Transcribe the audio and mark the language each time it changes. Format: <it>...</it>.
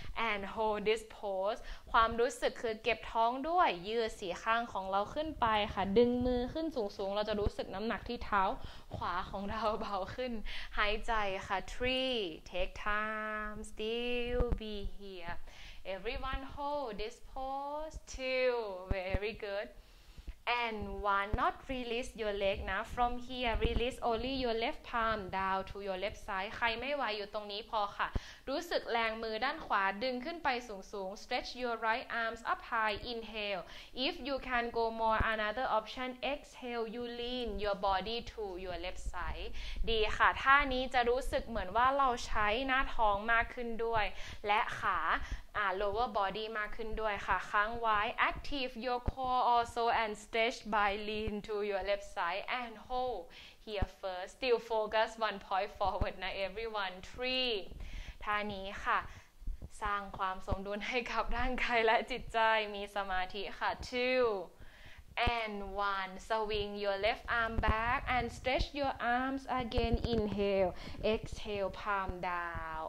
<th>and hold this pose ความรู้สึกคือเก็บท้องด้วยยืดสีข้างของเราขึ้นไปค่ะดึงมือขึ้นสูงๆเราจะรู้สึกน้ำหนักที่เท้าขวาของเราเบาขึ้นหายใจค่ะ</th> <en>3 take time still be here everyone hold this pose 2 very goodAnd one, not release your leg now. From here, release only your left palm down to your left side.</en> <th>ใครไม่ไหวอยู่ตรงนี้พอค่ะรู้สึกแรงมือด้านขวาดึงขึ้นไปสูงๆ</th> <en>Stretch your right arms up high. Inhale. If you can go more, another option. Exhale. You lean your body to your left side.</en> <th>ดีค่ะท่านี้จะรู้สึกเหมือนว่าเราใช้หน้าท้องมากขึ้นด้วยและขา</th> <en>lower body</en> <th>มากขึ้นด้วยค่ะค้างไว้</th> <en>active your core also and stretch by lean to your left side and hold here first still focus one point forward นะ everyone 3</en> <th>ท่านี้ค่ะสร้างความสมดุลให้กับร่างกายและจิตใจมีสมาธิค่ะ</th> <en>2And one, swing your left arm back and stretch your arms again. Inhale, exhale, palm down.</en>